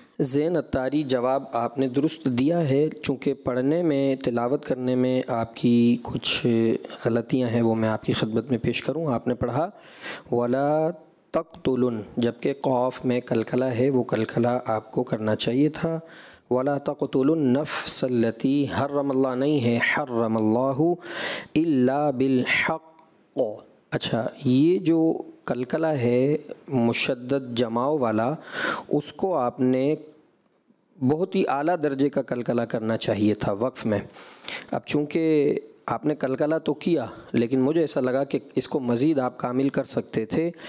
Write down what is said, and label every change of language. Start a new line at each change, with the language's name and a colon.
Urdu: زین اتاری جواب آپ نے درست دیا ہے, چونکہ پڑھنے میں تلاوت کرنے میں آپ کی کچھ غلطیاں ہیں وہ میں آپ کی خدمت میں پیش کروں. آپ نے پڑھا وَلَا تقتلن, جبکہ قاف میں کلکلہ ہے, وہ کلکلہ آپ کو کرنا چاہیے تھا.
Arabic: ولا تقتل النفس التي حرم الله,
Urdu: نہیں ہے
Arabic: حرم الله الا بالحق.
Urdu: اچھا یہ جو کلکلہ ہے مشدد جماؤ والا, اس کو آپ نے بہت ہی اعلیٰ درجے کا کلکلہ کرنا چاہیے تھا وقف میں. اب چونکہ آپ نے کلکلہ تو کیا لیکن مجھے ایسا لگا کہ اس کو مزید آپ کامل کر سکتے تھے.